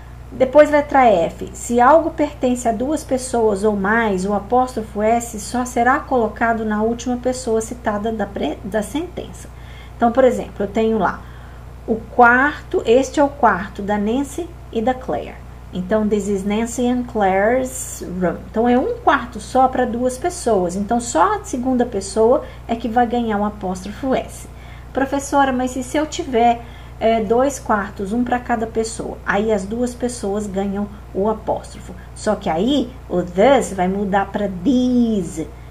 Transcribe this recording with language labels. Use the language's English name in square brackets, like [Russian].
[Portuguese] Depois, letra F. Se algo pertence a duas pessoas ou mais, o apóstrofo S só será colocado na última pessoa citada da sentença. Então, por exemplo, eu tenho lá o quarto, este é o quarto da Nancy e da Claire. Então, [English] this is Nancy and Claire's room. [Portuguese] Então, é um quarto só para duas pessoas. Então, só a segunda pessoa é que vai ganhar um apóstrofo S. Professora, mas e se eu tiver dois quartos, um para cada pessoa? Aí, as duas pessoas ganham o apóstrofo. Só que aí, o this vai mudar para these.